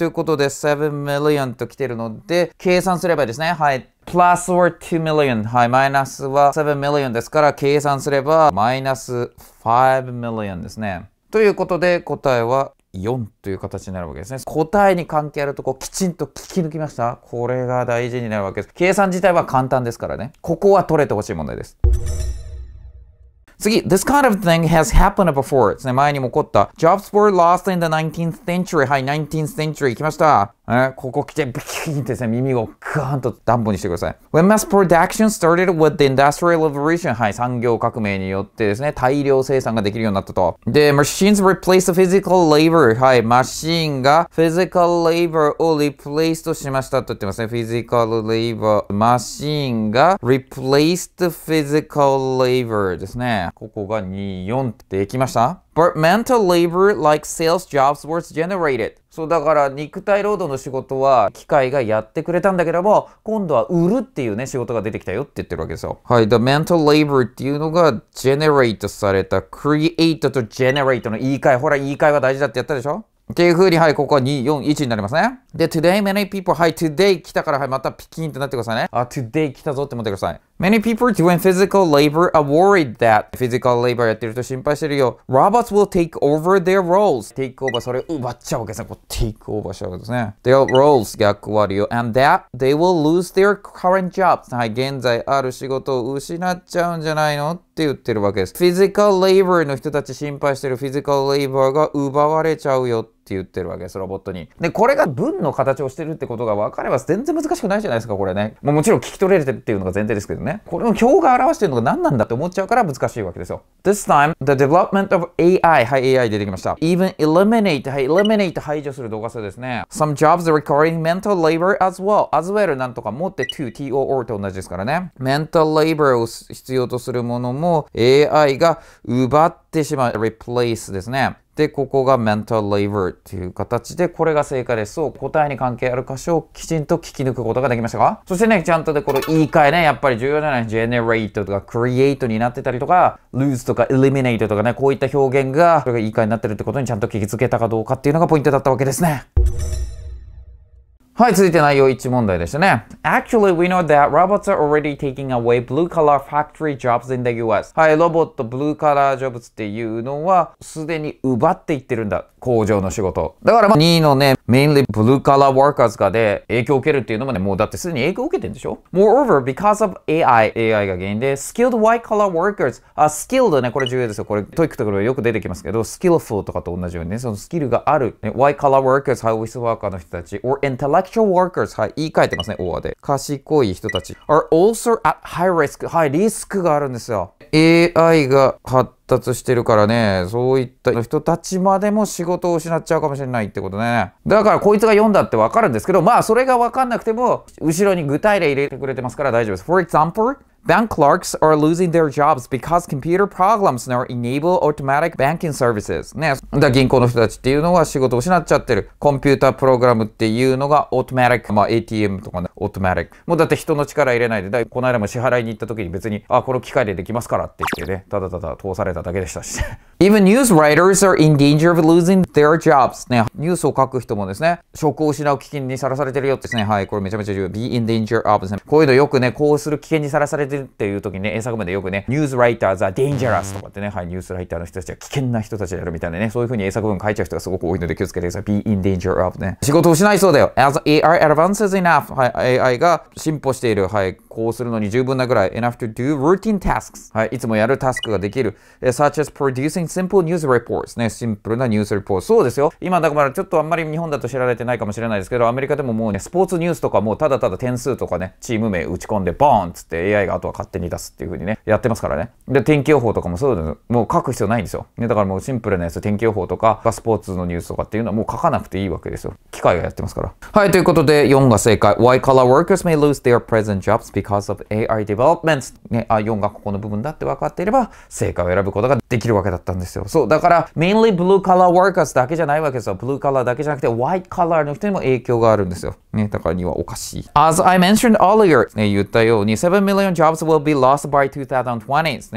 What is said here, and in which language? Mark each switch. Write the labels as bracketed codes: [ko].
[ja] ということで、7 million と来てるので、計算すればですね、はい、plus or 2 million、はい、マイナスは7 million ですから、計算すれば、マイナス5 million ですね。ということで、答えは、4という形になるわけですね。答えに関係あるとこきちんと聞き抜きました。これが大事になるわけです。計算自体は簡単ですからね。ここは取れてほしい問題です。次、 [en] This kind of thing has happened before. [ja] ですね、前にも起こった。 [en] Jobs were lost in the 19th century. [ja] はい、19th century 行きました。ここ来て、ビキーンってですね、耳をガーンと暖房にしてください。 [en] When mass production started with the industrial revolution. [ja] はい、産業革命によってですね、大量生産ができるようになったと。で、 [en] Machines replaced physical labor. [ja] はい、マシンが physical labor を replaced しましたと言ってますね。 [en] Physical labor。 マシンが replaced physical labor ですね。 [ja] ここが24ってできました。 [en] But mental labor like sales jobs was generated. [ja] そうだから肉体労働の仕事は機械がやってくれたんだけども、今度は売るっていうね仕事が出てきたよって言ってるわけですよ。はい、The mental labor っていうのが generate された。 Create と generate の言い換え。ほら言い換えは大事だってやったでしょ? っていう風に、はい、ここは241になりますね。で、 [en] today many people, [ja] はい、today 来たから、はい、またピキンってなってくださいね。あ、today 来たぞって思ってください。 [en] Many people doing physical labor are worried that physical labor [ja] やってると心配してるよ。 [en] Robots will take over their roles. Take over [ja] それ奪っちゃうわけですね。こう take over しちゃうわけですね。 [en] Their roles [ja] 役割を。 [en] And that they will lose their current jobs. [ja] はい、現在ある仕事を失っちゃうんじゃないのって言ってるわけです。 Physical labor の人たち心配してる physical labor が奪われちゃうよって言ってるわけです。ロボットに。で、これが文の形をしてるってことが分かれば全然難しくないじゃないですか、これね。もちろん聞き取れてるっていうのが前提ですけどね。これの表が表してるのが何なんだって思っちゃうから難しいわけですよ。 [en] This time, the development of AI. [ja] はい、AI 出てきました。 [en] Even eliminate. [ja] はい、eliminate 排除する動画数ですね。 [en] Some jobs requiring mental labor as well. As well, [ja] なんとか持って [en] to, T-O-O [ja] と同じですからね。 Mental labor を必要とするものも AI が奪ってしまう。 Replace ですね。で、ここが mental labor という形で、これが正解です。そう、答えに関係ある箇所をきちんと聞き抜くことができましたか？そしてね、ちゃんとで、この言い換えね、やっぱり重要じゃない。 generate とか create になってたりとか、lose とか eliminate とかね、こういった表現が、それが言い換えになってるってことにちゃんと気づけたかどうかっていうのがポイントだったわけですね。はい、続いて内容1問題でしたね。 [en] Actually, we know that robots are already taking away blue-collar factory jobs in the US. [ja] はい、ロボット、blue-collar jobs っていうのは、すでに奪っていってるんだ。工場の仕事。だから、2位のね、mainly blue-collar workers がで、影響を受けるっていうのもね、もうだってすでに影響を受けてるんでしょ ? [en] Moreover, because of AI, [ja] AI が原因で、skilled white-collar workers, skilled ね、これ重要ですよ。これ、トイックとかでよく出てきますけど、skillful とかと同じようにね、そのスキルがある、ね、white-collar workers, high office worker の人たち、or intellectualintellectual workers, はい、言い換えてますね、オアで。賢い人たち。 [en] are also at high risk. [ja] はい、リスクがあるんですよ。AI が発達してるからね、そういった人たちまでも仕事を失っちゃうかもしれないってことね。だからこいつが読んだってわかるんですけど、まあそれがわかんなくても、後ろに具体例入れてくれてますから大丈夫です。 [en] for example,Bank clerks are losing their jobs because computer programs now enable automatic banking services. [ja] ね。だ銀行の人たちっていうのは仕事を失っちゃってる。コンピュータープログラムっていうのが automatic。まあ ATM とかね。automatic。もうだって人の力入れないで、だこの間も支払いに行った時に別に、あ、この機械でできますからって言ってね。ただただ通されただけでしたし。 [en] Even news writers are in danger of losing their jobs. [ja] ね。ニュースを書く人もですね、職を失う危険にさらされてるよってですね。はい。これめちゃめちゃ重要。be in danger of ですね。こういうのよくね、こうする危険にさらされてっていう時にね、英作文でよくね、ニュースライターザ・デンジャラスとかってね、はい、ニュースライターの人たちは危険な人たちであるみたいなね、そういう風に英作文書いちゃう人がすごく多いので気をつけてください。 be in danger of ね。仕事を失いそうだよ。 [en] as AI advances enough、 [ja] はい、AI が進歩している、はい、こうするのに十分なぐらい、 [en] enough to do routine tasks、 [ja] はい、いつもやるタスクができる、 [en] such as producing simple news reports [ja] ね、シンプルなニュースレポート。そうですよ。今だからちょっとあんまり日本だと知られてないかもしれないですけど、アメリカでももうね、スポーツニュースとかもうただただ点数とかね、チーム名打ち込んで、ボーンっつって AI があとは勝手に出すっていう風にねやってますからね。で天気予報とかもそうです。もう書く必要ないんですよ。ねだからもうシンプルなやつ天気予報とかスポーツのニュースとかっていうのはもう書かなくていいわけですよ。機械がやってますから。はいということで4が正解。 [en] White collar workers may lose their present jobs because of AI developments ね。 [ja] あ4がここの部分だって分かっていれば正解を選ぶことができるわけだったんですよ。そうだから mainly blue collar workers だけじゃないわけですよ。blue collar だけじゃなくて white collar の人にも影響があるんですよ。ねだからにはおかしい。 [en] As I mentioned earlier [ja] ね言ったように [en] 7 million jobs will be lost by 2020.